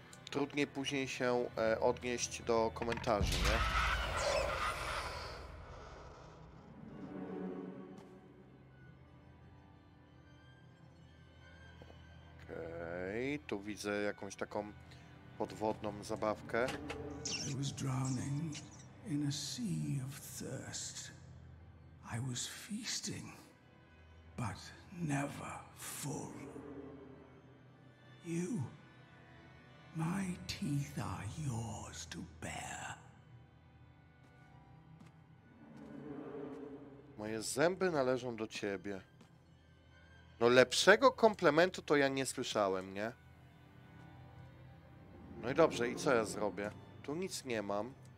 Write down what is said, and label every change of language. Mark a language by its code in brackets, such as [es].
[pl] Trudniej później się odnieść do komentarzy, nie? Okej, tu widzę jakąś taką podwodną zabawkę. [en] I was drowning in a sea of thirst. I was feasting, but never full. You. My teeth are yours to bear. [pl] Moje zęby należą do ciebie. No lepszego komplementu to ja nie słyszałem, nie? No i dobrze, i co ja zrobię? Tu nic nie mam.